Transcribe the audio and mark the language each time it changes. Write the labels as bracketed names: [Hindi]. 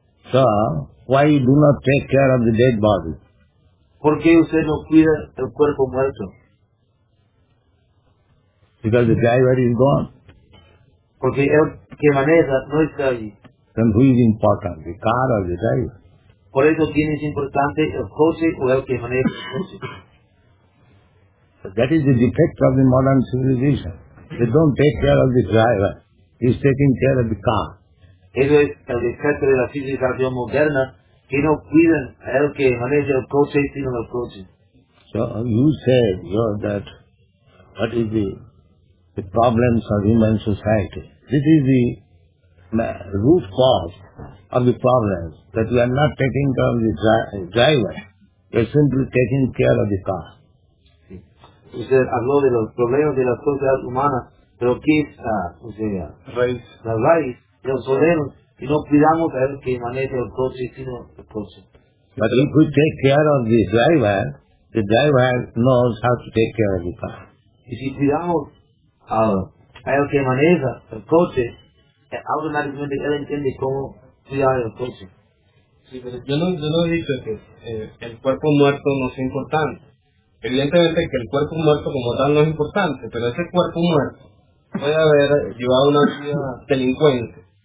[English] So, why you do not take care of the dead body? [Spanish] ¿Por qué usted no cuida el cuerpo muerto? [English] Because the driver is gone. [Spanish] Porque el que maneja no está allí. [English] Then who is important, the car or the driver? [Spanish] Por eso, ¿quién es importante, el coche o el que maneja el coche? [English] That is the defect of the modern civilization. They don't take care of the driver. He's taking care of the car. [Spanish] Eso es el defecto de la civilización moderna, que no cuidan a él que maneja el coche, sino el coche. [English] So you said, you know, that what is the problems of human society? This is the root cause of the problems, that we are not taking care of the driver, we are simply taking care of the car. [Spanish] Usted habló de los problemas de la sociedad humana, pero ¿qué es la raíz? Los problemas, y no cuidamos a él que maneje el coche, sino el coche. [English] But if we take care of the driver knows how to take care of the car. [Spanish] Y si cuidamos a él que maneja el coche, automáticamente él entiende cómo cuidar el coche. Sí, pero yo no he dicho que el cuerpo muerto no sea importante. Evidentemente que el cuerpo muerto como tal no es importante, pero ese cuerpo muerto puede haber llevado una vida delincuente.